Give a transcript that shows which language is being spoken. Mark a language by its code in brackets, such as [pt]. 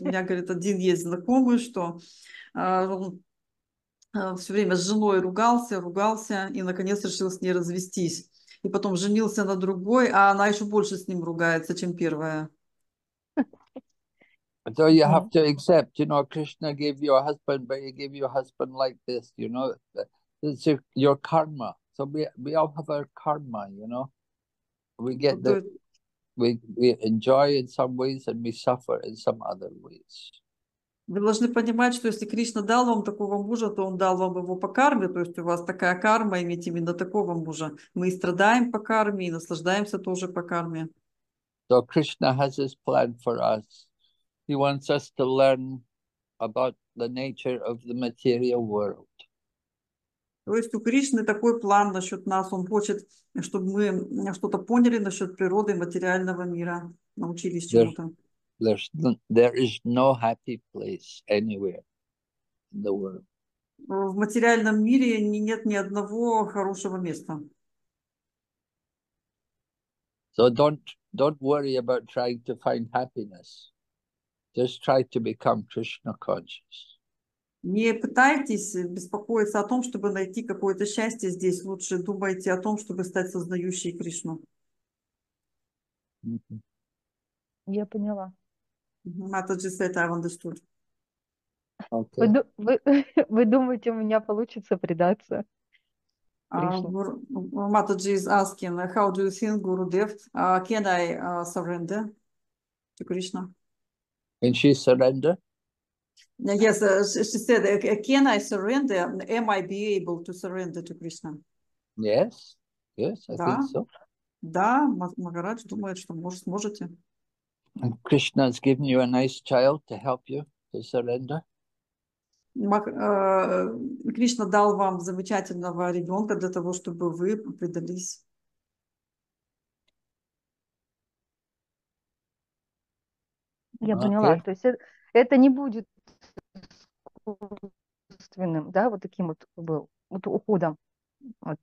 [ru] У меня, говорит, один есть знакомый, что он все время с женой ругался, и наконец решил с ней развестись. И потом женился на другой, а она еще больше с ним ругается, чем первая. [en] So you have to accept, you know, Krishna gave you a husband, but he gave you a husband like this, you know. It's your karma. So we all have our karma, you know. We get the, we enjoy in some ways and we suffer in some other ways. [ru] Вы должны понимать, что если Кришна дал вам такого мужа, то он дал вам его по карме, то есть у вас такая карма иметь именно такого мужа. Мы и страдаем по карме, и наслаждаемся тоже по карме. [en] So Krishna has his plan for us. He wants us to learn about the nature of the material world. [ru] То есть у Кришны такой план насчет нас. Он хочет, чтобы мы что-то поняли насчет природы материального мира, научились чему-то. [en] There is no happy place anywhere in the world. [ru] В материальном мире нет ни одного хорошего места. [en] So don't worry about trying to find happiness. Just try to become Krishna conscious. [ru] Не пытайтесь беспокоиться о том, чтобы найти какое-то счастье здесь. Лучше думайте о том, чтобы стать сознающей Кришну. Mm-hmm. Я поняла. [en] Матаджи said, I've understood. Okay. [ru] Вы думаете, у меня получится предаться? [en] Матаджи is asking, how do you think, Gurudev, can I surrender to Krishna? Can she surrender? Yes, she said, can I surrender? Am I be able to surrender to Krishna? Yes, yes, I think so. [ru] Да, Махарадж думает, что сможете. [en] And Krishna has given you a nice child to help you to surrender. [ru] Кришна дал вам замечательного ребенка для того, чтобы вы предались. Я поняла. Okay. То есть это не будет искусственным, да, вот таким вот был, вот уходом. Вот.